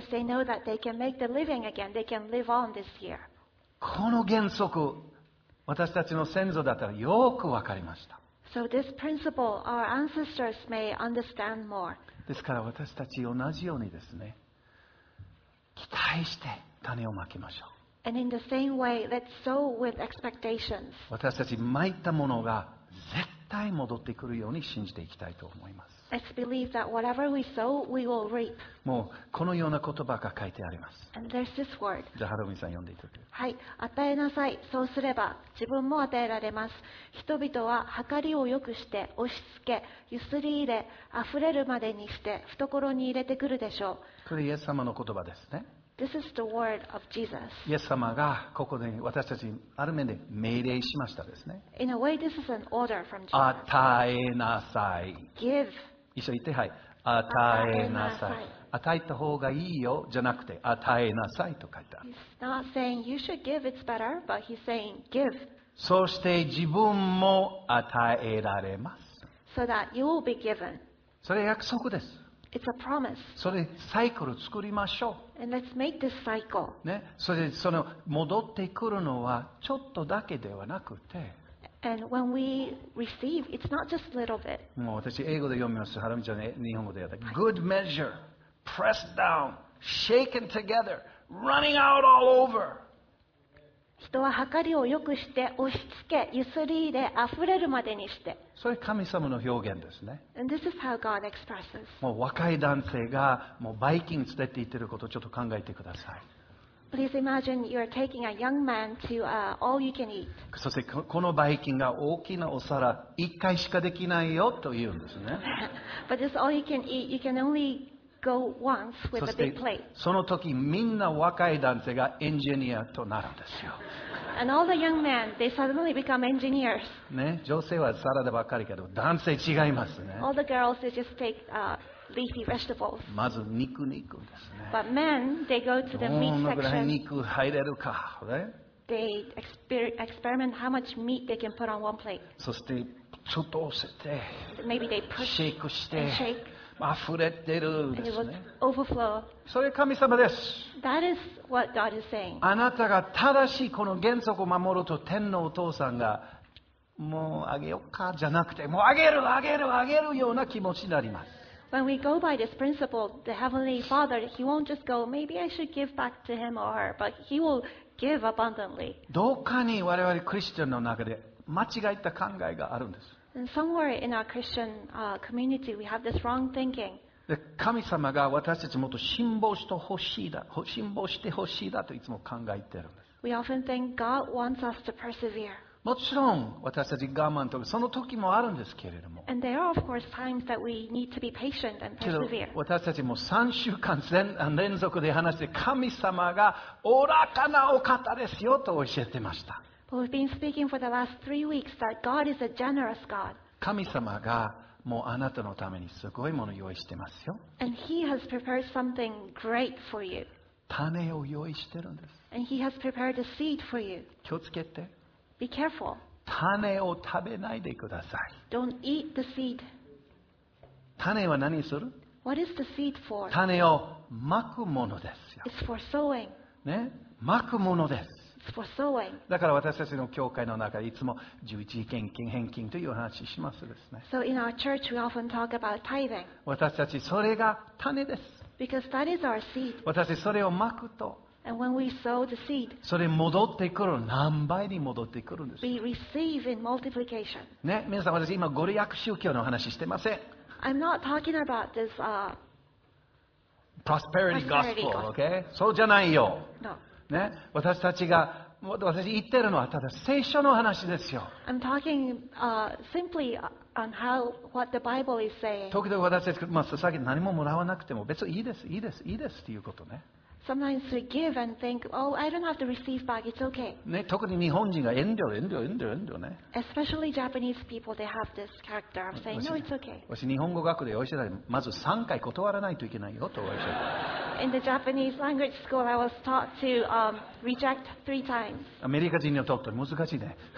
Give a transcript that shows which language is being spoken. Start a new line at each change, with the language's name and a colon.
English: Because they know that they can make the living again, they can live on this year.
Japanese: この原則、私たちの先祖だったらよくわかりました。
English: So this principle, our ancestors may understand more.
Japanese: ですから私たち同じようにですね、期待して種をまきましょう。
English: And in the same way, let's sow with expectations.
Japanese: 私たち撒いたものが絶対戻ってくるように信じていきたいと思います。
English: Let's believe that whatever we sow, we will reap.
Japanese: もうこのような言葉が書いてあります。
English: And there's this word.
Japanese: じゃあハロミさん読んでいただけ。はい、与えなさい。そうすれば自分も与えられます。人々は計りを良くして押し付け、ゆすり入れ、溢れるまでにして懐に入れてくるでしょう。これイエス様の言葉ですね。
English: This is the word of Jesus.
Japanese: イエス様がここで私たちにある面で命令しましたですね。
English: In a way, this is an order from Jesus.
Japanese: 与えなさい。
English: Give.
Japanese: 一緒に言って、はい。与えなさい。与えた方がいいよじゃなくて、与えなさいと書いてある。
English: He's not saying you should give, it's better, but he's saying give.
Japanese: そして自分も与えられます。
English: So that you will be given.
Japanese: それ約束です。
English: It's a promise.
Japanese: それサイクル作りましょう。
English: And let's make this cycle.
Japanese: ね、それでその戻ってくるのはちょっとだけではなくて。
English: And when we receive, it's not just a little bit.
Japanese: もう私英語で読みます。ハラミちゃん日本語でやった。
English: Good measure, pressed down, shaken together, running out all over.
Japanese: 人は計りを良くして押し付け、ゆすり入れ、あふれるまでにして。それ神様の表現ですね。
English: And this is how God expresses.
Japanese: もう若い男性がもうバイキング連れて行ってることをちょっと考えてください。
English: Please imagine you are taking a young man to all you can eat.
Japanese: そしてこのバイキンが大きなお皿一回しかできないよと言うんですね。
English: But this all you can eat, you can only go once with a big plate.
Japanese: その時みんな若い男性がエンジニアとなるんですよ。
English: And all the young men, they suddenly become engineers.
Japanese: ね、女性はサラダばっかりけど男性違いますね。
English: All the girls, they just take leafy vegetables.
Japanese: まず肉肉ですね。
English: But men, they go to the meat section.
Japanese: どのぐらい肉入れるか、ね、
English: They experiment how much meat they can put on one plate.
Japanese: そしてちょっと押せて、
English: Maybe they push
Japanese: シェイクして、
English: and shake.
Japanese: 溢れてるんですね。
English: Overflow.
Japanese: それ神様です。
English: That is what God is saying.
Japanese: あなたが正しいこの原則を守ると天のお父さんがもうあげようかじゃなくてもうあげるあげるあげるような気持ちになります。
English: When we go by this principle, the Heavenly Father, He won't just go, maybe I should give back to Him or her, but He will give abundantly.
Japanese: どこかに我々クリスチャンの中で間違った考えがあるんです。
English: And somewhere in our Christian community, we have this wrong thinking.
Japanese: 神様が私たちもっと辛抱してほしいだ、辛抱してほしいだといつも考えているんです。
English: We often think God wants us to persevere.
Japanese: もちろん私たち我慢とかその時もあるんですけれども。
English: And there are of course times that we need to be patient and persevere.
Japanese: けど私たちも3週間連続で話して神様がおらかなお方ですよと教えてました。
English: We've been speaking for the last three weeks that God is a generous God.
Japanese: 神様がもうあなたのためにすごいものを用意してますよ。
English: And He has prepared something great for you.
Japanese: 種を用意してるんです。
English: And He has prepared a seed for you.
Japanese: 気をつけて。
English: Be careful.
Japanese: 種を食べないでください。
English: Don't eat the seed.
Japanese: 種は何する？
English: What is the seed for?
Japanese: 種をまくものですよ。
English: It's for sowing.
Japanese: ね、まくものです。
English: For sowing.
Japanese: だから私たちの教会の中でいつも十一献金返金という話をしますですね。
English: So in our church we often talk about tithing.
Japanese: 私たちそれが種です。
English: Because that is our seed.
Japanese: 私たちそれをまくと、
English: And when we sow the seed,
Japanese: それ戻ってくる何倍に戻ってくるんです。
English: We receive in multiplication.
Japanese: ね、皆さん私今ご利益宗教の話してません。
English: I'm not talking about this, prosperity gospel, okay?
Japanese: そうじゃないよ。
English: No.
Japanese: ね、私たちが私言ってるのはただ聖書の話ですよ。
English: I'm talking, simply on how, what the Bible is saying.
Japanese: 時々私たち、まあ、何ももらわなくても別にいいです、いいです、いいですっていうことね。
English: Sometimes we give and think, oh, I don't have to receive back. It's okay.
Japanese: ね、特に日本人が遠慮、遠慮、遠慮、遠慮ね。
English: Especially Japanese people, they have this character of saying, no, it's okay.
Japanese: 私日本語学で教えてたら、まず3回断らないといけないよと教えてた。
English: In the Japanese language school, I was taught to reject 3 times.
Japanese: アメリカ人にとって難しいね。